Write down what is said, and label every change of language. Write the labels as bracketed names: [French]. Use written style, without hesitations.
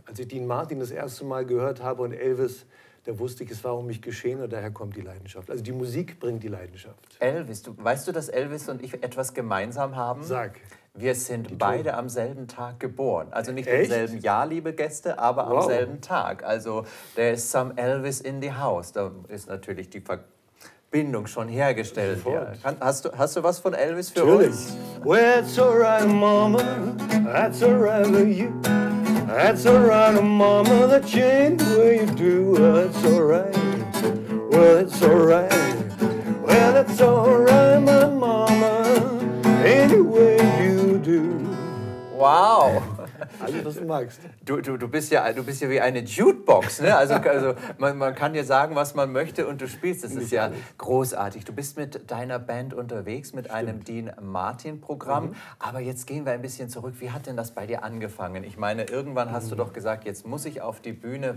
[German] Als ich Dean Martin das erste Mal gehört habe und Elvis, da wusste ich, es war um mich geschehen und daher kommt die Leidenschaft. Also die Musik bringt die Leidenschaft. Elvis, du, weißt du, dass Elvis und ich etwas gemeinsam haben? Sag. Wir sind beide am selben Tag geboren. Also nicht im selben Jahr, liebe Gäste, aber am selben Tag. [English] Also there is some Elvis in the house. [German] Da ist natürlich die Verbindung schon hergestellt. Ja. Hast du was von Elvis für natürlich. Uns? [English] Well, that's all right, Mama. That's all right with you. That's all right, Mama, the chain where you do. Well, it's all right. Well, it's all right. Well, it's all right, my Mama, any way you do. Wow. [German] Also, du magst. Du bist ja wie eine Jukebox, ne? Also man kann dir sagen, was man möchte und du spielst. Das ist ja großartig. Du bist mit deiner Band unterwegs, mit einem Dean Martin Programm. Mhm. Aber jetzt gehen wir ein bisschen zurück. Wie hat denn das bei dir angefangen? Ich meine, irgendwann hast du doch gesagt, jetzt muss ich auf die Bühne.